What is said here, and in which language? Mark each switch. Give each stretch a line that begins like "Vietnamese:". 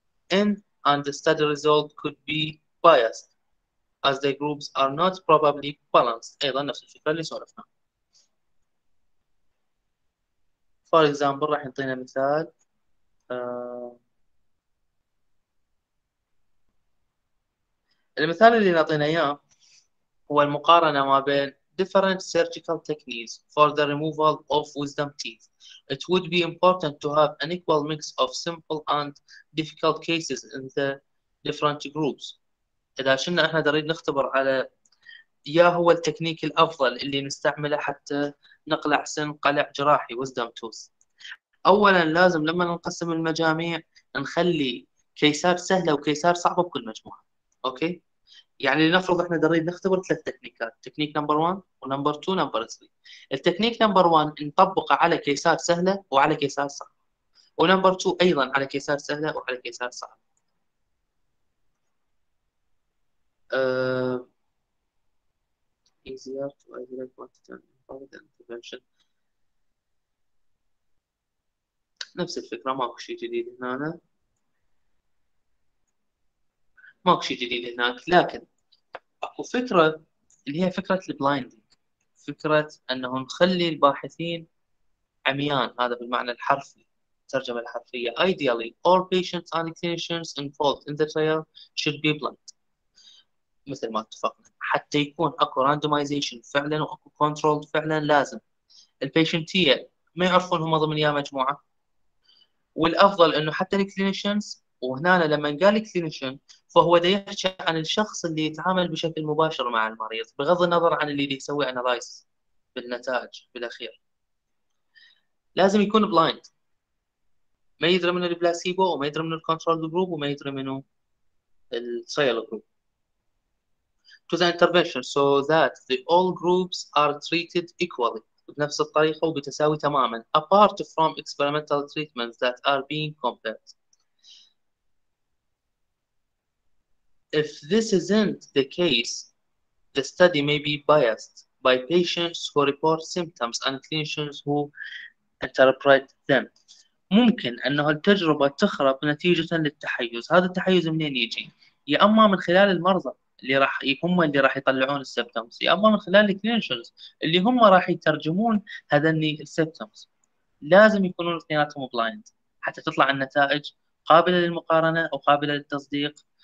English: in and the study result could be biased as the groups are not probably balanced
Arabic: ايضا نفس الفكره اللي سولفنا
English: for example
Arabic: راح يعطينا مثال المثال اللي نعطينا إياه هو المقارنة ما بين
English: different surgical techniques for the removal of wisdom teeth. It would be important to have an equal mix of simple and difficult cases in the different groups.
Arabic: إذا شلنا إحنا دريد نختبر على يا هو التكنيك الأفضل اللي نستعمله حتى نقلع سن قلع جراحي wisdom tooth. أولاً لازم لما نقسم المجاميع نخلي كيسات سهلة وكيسات صعبة بكل مجموعة أوكي؟ يعني لنفرض احنا دريد نختبر ثلاث تكنيكات، تكنيك نمبر 1 ونمبر 2 ونمبر 3. التكنيك نمبر 1 نطبق على كيسات سهله وعلى كيسات صعبه، ونمبر 2 ايضا على كيسات سهله وعلى كيسات صعبه.
English: Easier to isolate quantity than intervention.
Arabic: نفس الفكرة، ماكو شيء جديد هنا، ماكو شيء جديد هناك، لكن أكو فكرة اللي هي فكرة البلايندينج، فكرة أنه نخلي الباحثين عميان، هذا بالمعنى الحرفي، الترجمة الحرفية.
English: Ideally, all patients and clinicians involved in the trial should be blind.
Arabic: مثل ما اتفقنا، حتى يكون اكو راندومايزيشن فعلا واكو كنترول فعلا، لازم البيشنت هي ما يعرفون هم ضمن يا مجموعه. والافضل انه حتى الكلينيشنز، وهنا لما قال الكلينيشن فهو ده يحكي عن الشخص اللي يتعامل بشكل مباشر مع المريض، بغض النظر عن اللي يسوي انالايز بالنتائج بالاخير، لازم يكون بلايند، ما يدري من البلاسيبو وما يدري من الكنترول جروب وما يدري منو الترايل جروب.
English: To the intervention so that the all groups are treated equally
Arabic: بنفس الطريقة وبتساوي تماما
English: apart from experimental treatments that are being compared. If this isn't the case, the study may be biased by patients who report symptoms and clinicians who interpret them.
Arabic: ممكن أنه التجربة تخرب نتيجة للتحيز، هذا التحيز منين يجي؟ يا أما من خلال المرضى اللي راح هم اللي راح يطلعون السبتمز، يا اما من خلال الكلينشنز اللي هم راح يترجمون هذني السبتمز. لازم يكونون اثنيناتهم بلايند حتى تطلع النتائج قابله للمقارنه او قابله للتصديق.